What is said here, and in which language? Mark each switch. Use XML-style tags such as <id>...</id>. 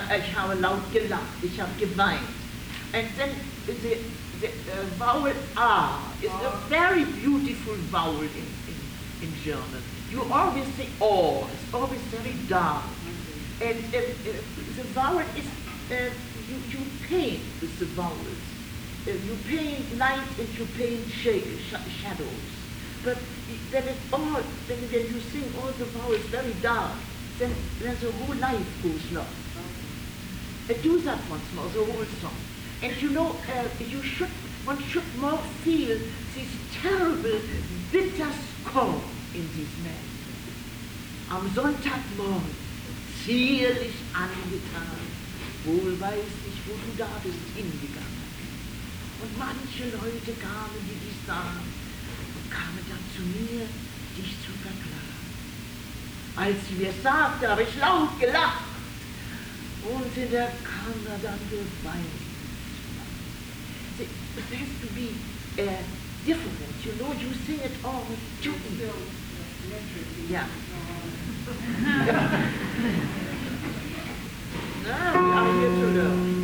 <de>ich habe laut gelacht, ich habe geweint.</de> <en>And then the vowel A is a very beautiful vowel in German. You always say O, it's always very dark. And the vowel is, you paint with the vowels. You paint light and you paint shadows. But then when you sing all the vowels very dark, then the whole life goes lost. Do that once more, the whole song. And you know, one should more feel this terrible, bitter scorn in this man.</en> <de>Am Sonntagmorgen, zierlich angetan, wohl weiß ich, wo du da bist hingegangen. Und manche Leute kamen, die dich sahen, und kamen dann zu mir, dich zu verklagen. Als sie mir sagte, habe ich laut gelacht. Und in der Kammer dann geweint.</de> <en>It has to be different, you know, you sing it all with two ears. Yeah. We are here to learn.</en>